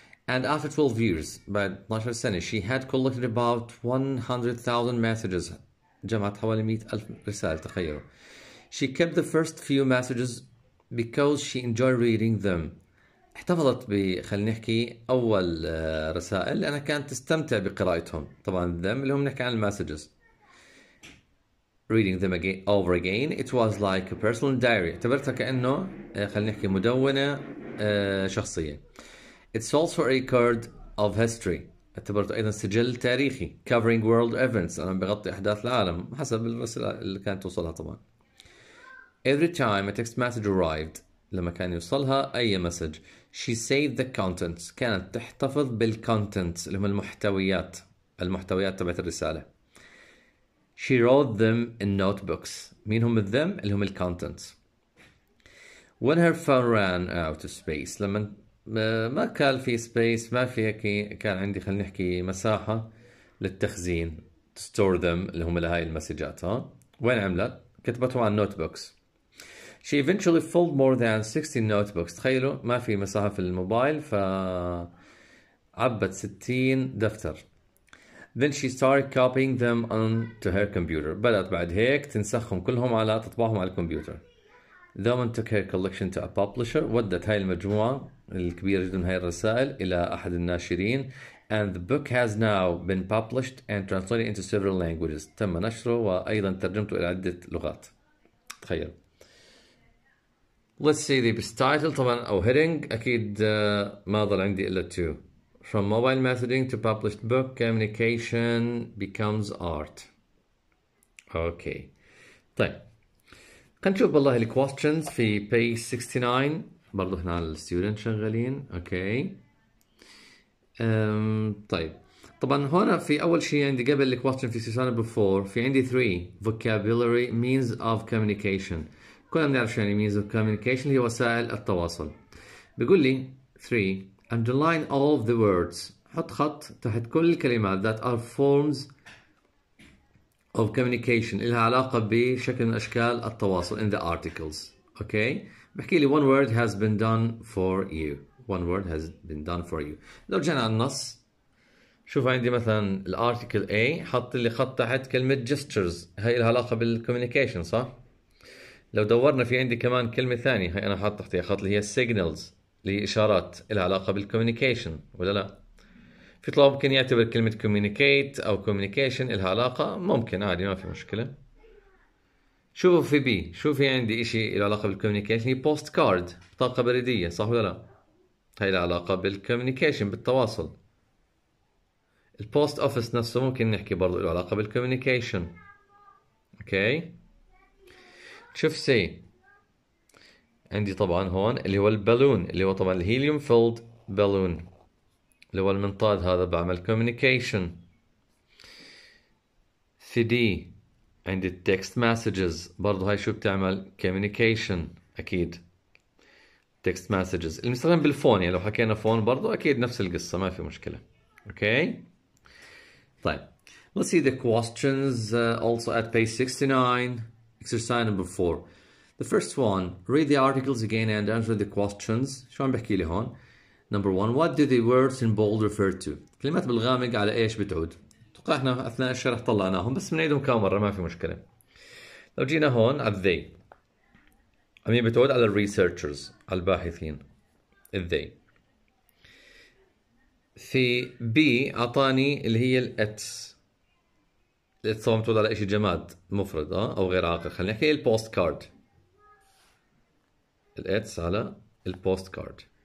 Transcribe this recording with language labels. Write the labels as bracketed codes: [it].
[en] And after 12 years, [ar] بعد 12 سنة, [en] she had collected about 100,000 messages. [ar] جمعت حوالي 100,000 رسالة, تخيلوا. [en] She kept the first few messages because she enjoyed reading them. [ar] احتفظت ب, خلينا نحكي, أول رسائل لأنها كانت تستمتع بقراءتهم. طبعا [en] them [ar] اللي هم نحكي عن المسجز. [en] Reading them again, over again, it was like a personal diary. [ar] اعتبرتها كأنه خلينا نحكي مدونة شخصية. [en] It's also a record of history. [ar] اعتبرته أيضا سجل تاريخي. [en] Covering world events. [ar] أنا بغطي أحداث العالم حسب الرسالة اللي كانت توصلها طبعا. [en] Every time a text message arrived, [ar] لما كان يوصلها أي مسج, [en] she saved the contents. [ar] كانت تحتفظ بالcontents اللي هم المحتويات, المحتويات تبعت الرسالة. [en] She wrote them in notebooks. [ar] مين هم them؟ اللي هم الcontents. [en] When her phone ran out of space, [ar] لما ما كان في سبيس, ما في كي كان عندي خلينا نحكي مساحة للتخزين, [en] to store them [ar] اللي هم لهاي المسجات, ها وين عملت؟ كتبتهم على notebooks. [en] She eventually filled more than 60 notebooks. [ar] تخيلوا ما في مساحة في الموبايل فعبت 60 دفتر. [en] Then she started copying them onto her computer. [ar] بدأت بعد هيك تنسخهم كلهم على تطبعهم على الكمبيوتر. [en] Then took her collection to a publisher. [ar] ودت هاي المجموعة الكبيرة جدا هاي الرسائل إلى أحد الناشرين. [en] And the book has now been published and translated into several languages. [ar] تم نشره وأيضا ترجمته إلى عدة لغات. تخيل. [en] Let's see the best title [ar] طبعا أو [en] heading. [ar] أكيد ما ظل عندي إلا 2. [en] From mobile messaging to published book, communication becomes art. Okay. [ar] طيب. كنشوف بالله الـ questions في page 69. برضو هنا على الـ student شغالين. [en] Okay. [ar] طيب. طبعا هنا في أول شيء عندي قبل الـ question في 69 before. في عندي 3. [en] Vocabulary means of communication. [ar] كلنا بنعرف شو يعني [en] means of communication [ar] اللي هي وسائل التواصل. بيقول لي 3. [en] Underline all of the words. [ar] حط خط تحت كل الكلمات [en] that are forms of communication [ar] إلها علاقة بشكل من أشكال التواصل [en] in the articles. Okay. [ar] بحكي لي [en] one word has been done for you. One word has been done for you. [ar] لو جينا على النص شوف عندي مثلا الارتكل A حط لي خط تحت كلمة gestures، هاي لها علاقة بالcommunication صح؟ لو دورنا في عندي كمان كلمة ثانية، هاي أنا حط تحتها خط اللي هي signals اللي هي إشارات لها علاقة بالcommunication ولا لا؟ في طلاب ممكن يعتبر كلمة communicate أو communication لها علاقة، ممكن عادي ما في مشكلة. شوفوا في بي، شوف في عندي إشي له علاقة بالcommunication، هي postcard بطاقة بريدية صح ولا لا؟ هاي لها علاقة بالcommunication بالتواصل. البوست اوفيس نفسه ممكن نحكي برضو له علاقة بالكوميونيكيشن. اوكي شوف سي عندي طبعا هون اللي هو البالون اللي هو طبعا الهيليوم فيلد بالون اللي هو المنطاد هذا بعمل كوميونيكيشن. في دي عندي التكست مسجز برضو هاي شو بتعمل كوميونيكيشن اكيد تكست مسجز اللي مستخدم بالفون يعني لو حكينا فون برضو اكيد نفس القصة ما في مشكلة. اوكي طيب [en] let's see the questions also at page 69 exercise number 4. The first one, read the articles again and answer the questions. [ar] شو عم بحكي لي هون؟ [en] Number 1, what do the words in bold refer to? [ar] كلمات بالغامق على ايش بتعود؟ توقع احنا اثناء الشرح طلعناهم بس بنعيدهم كام مره ما في مشكله. لو جينا هون على they عم بتعود على researchers على الباحثين they. في بي اعطاني اللي هي الاتس الاتس طبعا بتعود على شيء جماد مفرد او غير عاقل خلينا نحكي البوست كارد الاتس على البوست كارد.